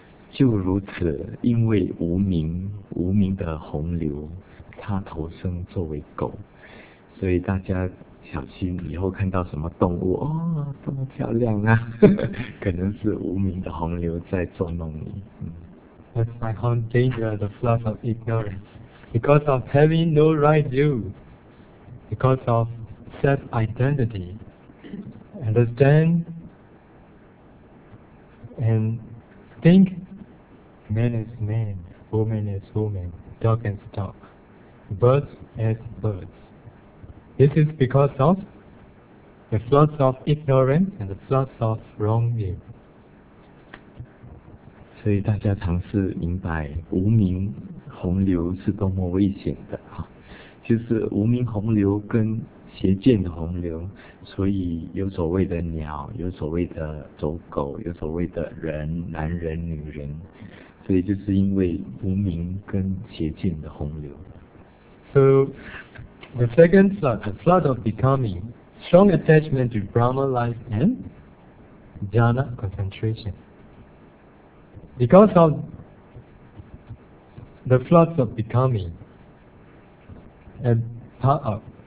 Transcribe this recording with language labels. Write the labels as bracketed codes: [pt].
[zh] 就如此，因为无明的洪流，他投生作为狗。所以大家小心，以后看到什么动物，哦，这么漂亮啊，可能是无名的洪流在捉弄你。 [en] That's my own danger, the flood of ignorance. Because of having no right view, because of self-identity, understand and think man is man, woman is woman, dog is dog, birds as birds. This is because of the floods of ignorance and the floods of wrong view. [zh] 所以大家尝试明白无明洪流是多么危险的，就是无明洪流跟邪见的洪流，所以有所谓的鸟，有所谓的走狗，有所谓的人，男人女人，所以就是因为无明跟邪见的洪流。 [en] SoThe second flood, the flood of becoming, strong attachment to Brahma life and jhana concentration. Because of the floods of becoming, and part of